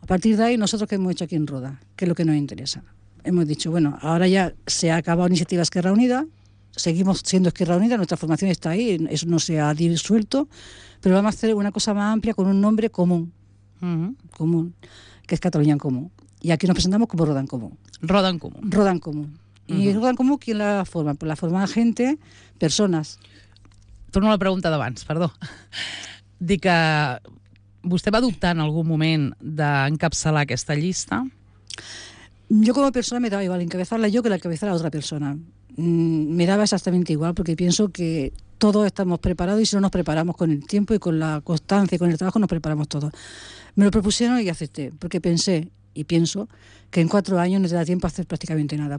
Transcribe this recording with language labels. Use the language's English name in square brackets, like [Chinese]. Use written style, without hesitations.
[Spanish] A partir de ahí, nosotros, ¿qué hemos hecho aquí en Roda? ¿Qué es lo que nos interesa? Hemos dicho, bueno, ahora ya se ha acabado Iniciativa Esquerra Unida, seguimos siendo Esquerra Unida, nuestra formación está ahí, eso no se ha disuelto, pero vamos a hacer una cosa más amplia con un nombre común, común, que es Cataluña en Comú. Y aquí nos presentamos como Roda en Comú. Roda en Comú. Roda en Comú. ¿Y Roda en Comú quién la forma? Pues la forma gente, personas. [Catalan] Torno a la pregunta d'abans, perdó. Dic que vostè va dubtar en algun moment d'encapçalar aquesta llista? [Spanish] Yo como persona me daba igual encabezarla yo que la encabezara otra persona. Me daba exactamente igual porque pienso que todos estamos preparados y si no nos preparamos con el tiempo y con la constancia y con el trabajo nos preparamos todos. Me lo propusieron y acepté porque pensé y pienso que en 4 años no te da tiempo a hacer prácticamente nada.